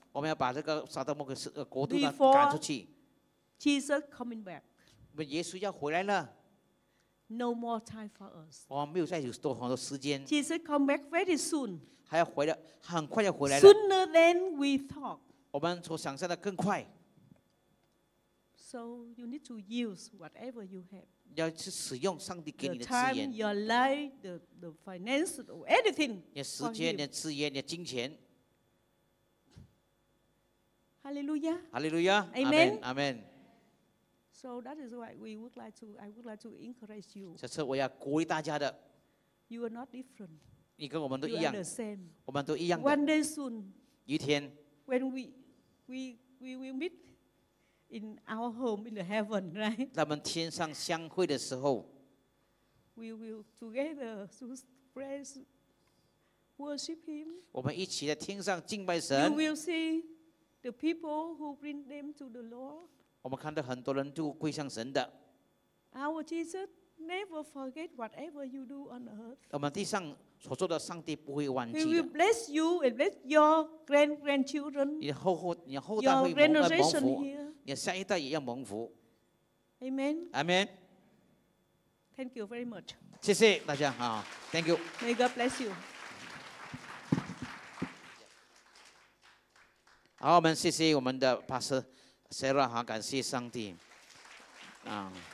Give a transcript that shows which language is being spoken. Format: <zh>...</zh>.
<zh>我们要把这个撒旦魔鬼的国度呢赶出去。</zh> <en>Jesus coming back.</en> <zh>我们耶稣要回来了。</zh> <en>No more time for us.</en> <zh>我们没有再有多很多时间。</zh> <en>Jesus come back very soon.</en> <zh>还要回来，很快要回来了。</zh> <en>Sooner than we thought.</en> <zh>我们所想象的更快。</zh> <en>So you need to use whatever you have.</en> <zh>要去使用上帝给你的资源。</zh> <en>The time, your life, the finances, anything.</en> <zh>你的时间、你的资源、你的金钱。</zh> <en>Hallelujah. Hallelujah. Amen. Amen. So that is why we would like to. I would like to encourage you.</en> <zh>这次我要鼓励大家的。</zh> <en>You are not different.</en> <zh>你跟我们都一样。</zh> <en>You are the same.</en> <zh>我们都一样的。</zh> <en>One day soon.</en> <zh>一天。</zh> <en>When we will meet in our home in the heaven, right?</en> <zh>咱们天上相会的时候。</zh> <en>We will together to praise, worship Him.</en> <zh>我们一起在天上敬拜神。</zh> <en>You will see the people who bring them to the Lord.</en> <zh>我们看到很多人就归向神的。</zh> <en>Our Jesus never forget whatever you do on earth.</en> <zh>我们地上所做的，上帝不会忘记的。</zh> <en>He will bless you and bless your grandchildren.</en> <zh>你的后后，你的后代会蒙蒙福，你的下一代也要蒙福。</zh> <en>Amen. Amen. Thank you very much.</en> <zh>谢谢大家啊 ，</zh> <en>Thank you. May God bless you.</en> <zh>好，我们谢谢我们的 Pastor Sarah 哈，感谢上帝啊。</zh>